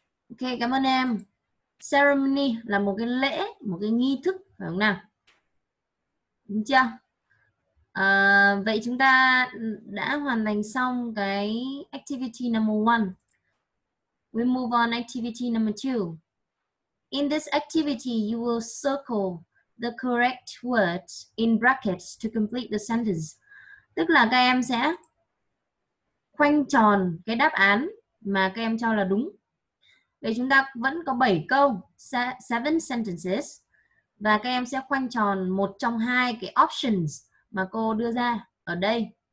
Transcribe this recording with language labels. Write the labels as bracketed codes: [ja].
[vi] Ok, cảm ơn em. Ceremony là một cái lễ, một cái nghi thức, phải không nào? Đúng chưa? À, vậy chúng ta đã hoàn thành xong cái [en] activity number 1. We move on activity number 2. In this activity, you will circle the correct word in brackets to complete the sentence. [vi] Tức là các em sẽ khoanh tròn cái đáp án mà các em cho là đúng. Vậy chúng ta vẫn có 7 câu, 7 sentences. Và các em sẽ khoanh tròn một trong hai cái options mà cô đưa ra ở đây.